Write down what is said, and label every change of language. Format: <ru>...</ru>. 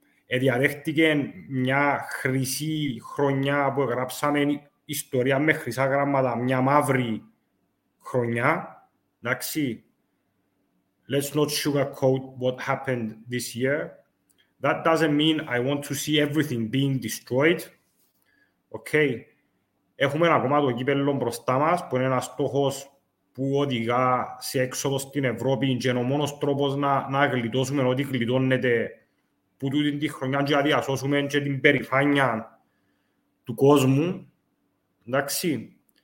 <el>Διαδέχτηκε μια χρυσή χρονιά που γράψαμε ιστορία με χρυσά γράμματα, μια μαύρη χρονιά.</el> <en>Εντάξει, let's not sugarcoat what happened this year. That doesn't mean I want to see everything being destroyed.</en> <el>Okay, έχουμε ακόμα το κύπελλο μπροστά μας που είναι ένας στόχος που οδηγά σε έξοδο στην Ευρώπη και ο μόνος τρόπος να γλιτώσουμε ό,τι γλιτώνεται που τούτη τη χρονιά και να διασώσουμε και την περηφάνεια του κόσμου. Εντάξει.</el>